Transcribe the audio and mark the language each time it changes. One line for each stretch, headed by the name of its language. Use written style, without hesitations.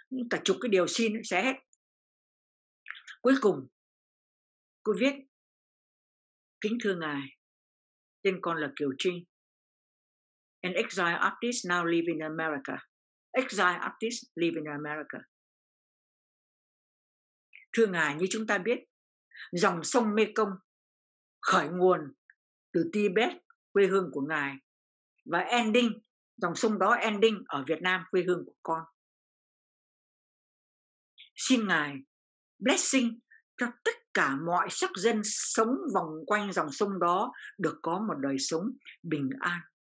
Vietnamese: Cả chục cái điều xin xé hết. Cuối cùng cô viết: kính thưa ngài, tên con là Kiều Trinh.
English: An exile artist now living in America. Exile artist living in America.
Vietnamese: Thưa ngài, như chúng ta biết, dòng sông Mekong khởi nguồn từ Tibet, quê hương của ngài, và ending, dòng sông đó ending ở Việt Nam, quê hương của con. Xin ngài blessing cho tất cả mọi sắc dân sống vòng quanh dòng sông đó được có một đời sống bình an.